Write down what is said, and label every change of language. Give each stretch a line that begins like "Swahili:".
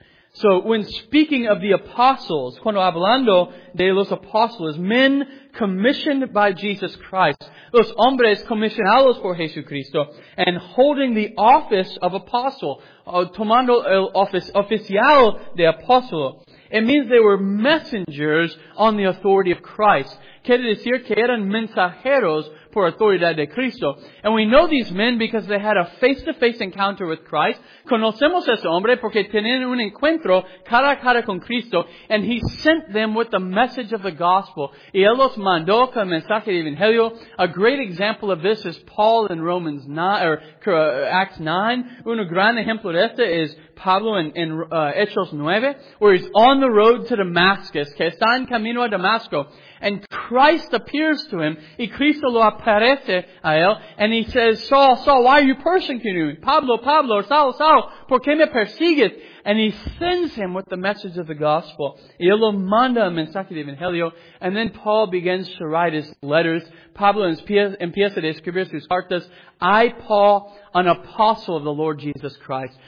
English: So, when speaking of the apostles,
Spanish: cuando hablando de los apóstoles,
English: men commissioned by Jesus Christ,
Spanish: los hombres comisionados por Jesucristo,
English: and holding the office of apostle,
Spanish: tomando el office oficial de apóstolo,
English: it means they were messengers on the authority of Christ.
Spanish: Quiere decir que eran mensajeros por autoridad de Cristo.
English: And we know these men because they had a face-to-face encounter with Christ.
Spanish: Conocemos a ese hombre porque tenían un encuentro cara a cara con Cristo.
English: And he sent them with the message of the gospel.
Spanish: Y él los mandó con el mensaje del Evangelio.
English: A great example of this is Paul in Romans 9, or Acts 9.
Spanish: Un gran ejemplo de este es Pablo in Hechos 9,
English: where he's on the road to Damascus,
Spanish: que está en camino a Damasco. And
English: Christ appears to him,
Spanish: y Cristo lo aparece a él,
English: and he says, Saul, Saul, why are you persecuting me?
Spanish: Pablo, Pablo, Saul, Saul, ¿por qué me persigues?
English: And he sends him with the message of the gospel.
Spanish: Y él lo manda a mensaje de evangelio.
English: And then Paul begins to write his letters.
Spanish: Pablo empieza a escribir sus cartas.
English: I, Paul, an apostle of the Lord Jesus Christ.